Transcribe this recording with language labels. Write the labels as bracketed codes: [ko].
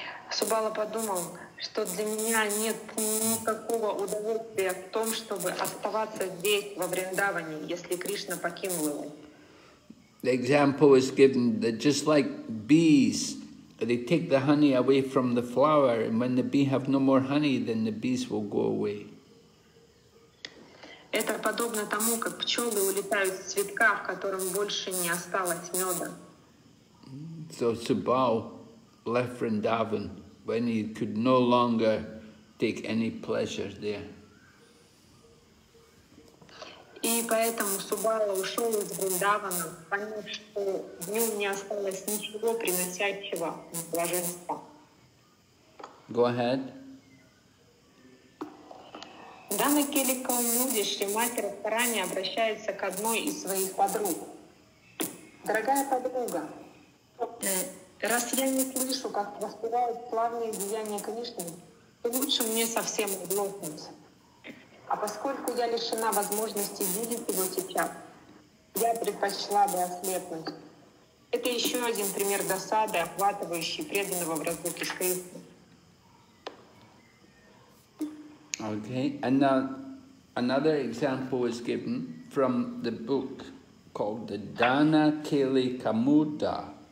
[ru] Субала подумал, что для меня нет никакого удовольствия в том, чтобы оставаться здесь во Вриндаване, если Кришна покинул его. [en] The example is given that just like bees, they take the honey away from the flower, and when the bee have no more honey, then the bees will go away. [ru] Это подобно тому, как пчелы улетают с цветка, в котором больше не осталось меда. [en] So Subal left Vrindavan when he could no longer take any pleasure there. [ru] И И поэтому Субала ушел из Вриндавана, поняв, что в нем не осталось ничего приносящего блаженства. [en] Go ahead. [ru] Дана Келика Умуди Шримати Радхарани обращается к одной из своих подруг. Дорогая подруга, раз я не слышу, как воспевают славные деяния Кришны, то лучше мне совсем оглохнуть. А поскольку я лишена возможности видеть его сейчас, я предпочла бы ослепнуть. Это еще один пример досады, охватывающий преданного в разлуке с Кришной. [en] Okay, and now another example is given from the book called the Dana Kelika Muda.